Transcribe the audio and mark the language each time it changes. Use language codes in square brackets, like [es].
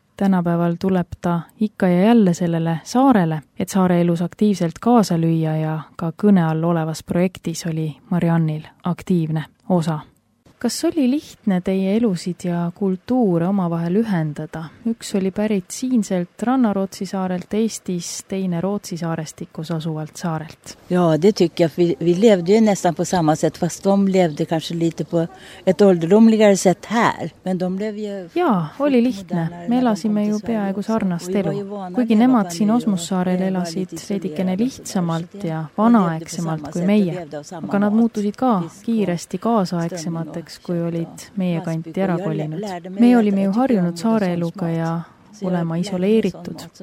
[et] Tänapäeval tuleb ta ikka ja jälle sellele saarele, et saare elus aktiivselt kaasa lüüa ja ka kõne all olevas projektis oli Mariannil aktiivne osa. Kas oli lihtne teie elusid ja kultuure omavahel ühendada? Üks oli pärit siinselt Rannarootsi saarelt Eestis, teine Rootsi saarestikus asuvalt saarelt. [sv] Jaa, det tycker jag. Vi levde ju nästan på samma sätt, fast de levde kanske lite på ett ålderomligare sätt här. Men de blev ju... [et] Jaa, oli lihtne. Me elasime ju peaaegu sarnast elu. Kuigi nemad siin Osmussaarel elasid veidikene lihtsamalt ja vanaaegsemalt kui meie. Aga nad muutusid ka kiiresti kaasaaegsemate. Kui olid meie kanti ära kolinud. Me olime ju harjunud saareeluga ja olema isoleeritud.